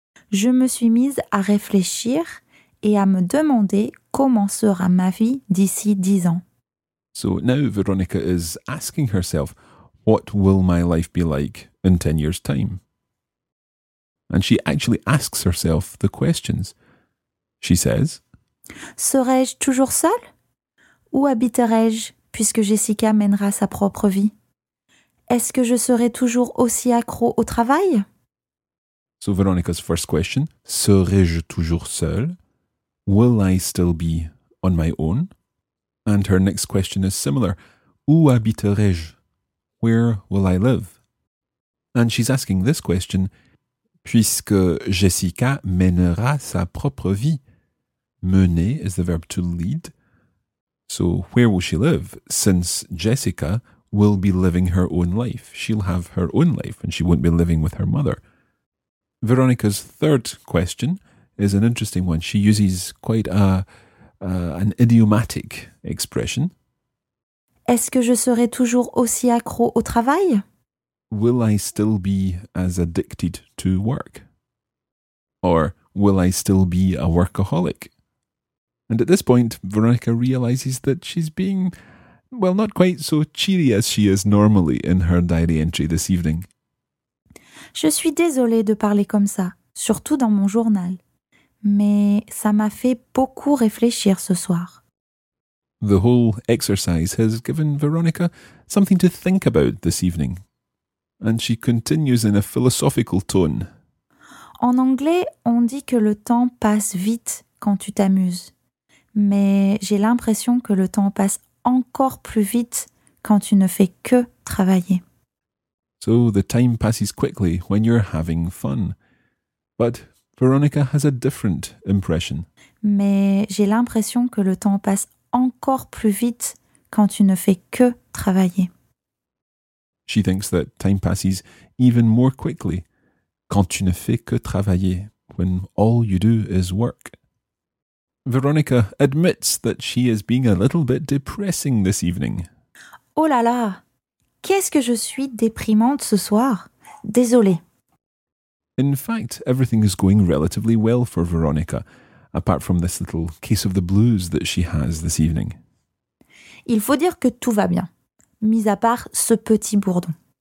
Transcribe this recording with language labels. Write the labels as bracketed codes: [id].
[fr] Je me suis mise à réfléchir et à me demander comment sera ma vie d'ici 10 ans. [en] So now Veronica is asking herself, what will my life be like in 10 years' time? And she actually asks herself the questions. She says, [fr] serai-je toujours seule? Où habiterai-je puisque Jessica mènera sa propre vie? Est-ce que je serai toujours aussi accro au travail? [en] So Veronica's first question, [fr] serai-je toujours seule? [en] Will I still be on my own? And her next question is similar. [fr] Où habiterai-je? [en] Where will I live? And she's asking this question, [fr] puisque Jessica mènera sa propre vie. [en] Mener is the verb to lead. So where will she live? Since Jessica will be living her own life. She'll have her own life and she won't be living with her mother. Veronica's third question is an interesting one. She uses quite an idiomatic expression. [fr] Est-ce que je serai toujours aussi accro au travail? [en] Will I still be as addicted to work? Or will I still be a workaholic? And at this point, Veronica realizes that she's being, well, not quite so cheery as she is normally in her diary entry this evening. [fr] Je suis désolée de parler comme ça, surtout dans mon journal. Mais ça m'a fait beaucoup réfléchir ce soir. [en] The whole exercise has given Veronica something to think about this evening. And she continues in a philosophical tone. [fr] En anglais, on dit que le temps passe vite quand tu t'amuses. Mais j'ai l'impression que le temps passe encore plus vite quand tu ne fais que travailler. [en] So the time passes quickly when you're having fun. But Veronica has a different impression. [fr] Mais j'ai l'impression que le temps passe encore plus vite quand tu ne fais que travailler. [en] She thinks that time passes even more quickly [fr] quand tu ne fais que travailler, [en] when all you do is work. Veronica admits that she is being a little bit depressing this evening. [fr] Oh là là! Qu'est-ce que je suis déprimante ce soir? Désolée. [en] In fact, everything is going relatively well for Veronica, apart from this little case of the blues that she has this evening. [fr] Il faut dire que tout va bien, mis à part ce petit bourdon.